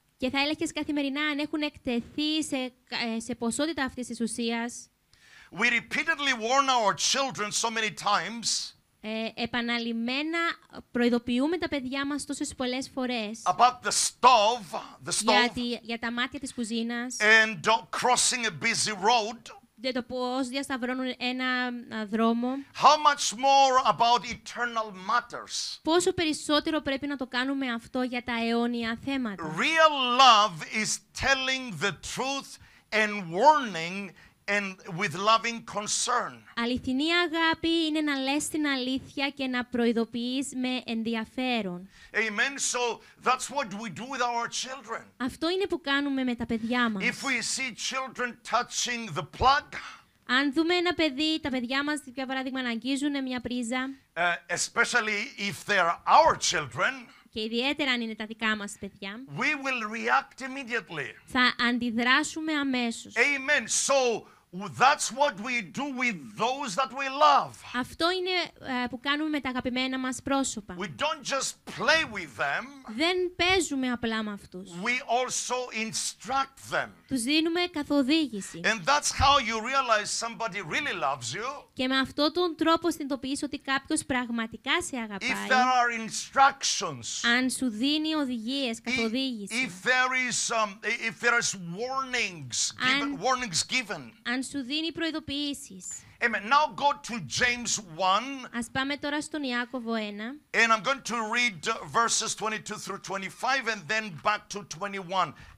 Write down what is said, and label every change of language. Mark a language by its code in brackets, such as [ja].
[el] Και θα έλεγχες καθημερινά αν έχουν εκτεθεί σε ποσότητα αυτής της ουσίας. [en] We repeatedly warn our children so many times. [el] Επαναλημμένα προειδοποιούμε τα παιδιά μας τόσες πολλές φορές [en] about the stove, για [el] τα μάτια της κουζίνας [en] and crossing a busy road, [el] για το πώς διασταυρώνουν ένα δρόμο. [en] How much more about eternal matters? [el] Πόσο περισσότερο πρέπει να το κάνουμε αυτό για τα αιώνια θέματα. [en] Real love is telling the truth and warning and with loving concern. [el] Αληθινή αγάπη είναι να λες την αλήθεια και να προειδοποιείς με ενδιαφέρον. [en] Amen. So that's what we do with our children. [el] Αυτό είναι που κάνουμε με τα παιδιά μας. [en] If we see children touching the plug, [el] αν δούμε ένα παιδί, τα παιδιά μας, για παράδειγμα, να αγγίζουν μια πρίζα, [en] especially if they are our children, [el] και ιδιαίτερα αν είναι τα δικά μας παιδιά, [en] we will react immediately. [el] Θα αντιδράσουμε αμέσως. [en] Amen. So that's what we do with those that we love. [el] Αυτό είναι που κάνουμε με τα αγαπημένα μας πρόσωπα. [en] We don't just play with them. [el] Δεν παίζουμε απλά με αυτούς. [en] We also instruct them. [el] Τους δίνουμε καθοδήγηση. [en] And that's how you realize somebody really loves you. [el] Και με αυτόν τον τρόπο συνειδητοποιείς ότι κάποιος πραγματικά σε αγαπάει. [en] If there are instructions. [el] Αν σου δίνει οδηγίες, καθοδήγηση. [en] If there is warnings, warnings given. [el] Αν σου δίνει προειδοποιήσεις. [en] Amen. Now go to James 1. [el] Ας πάμε τώρα στον Ιάκωβο 1. [en] And I'm going to read verses 22 through 25 and then back to 21.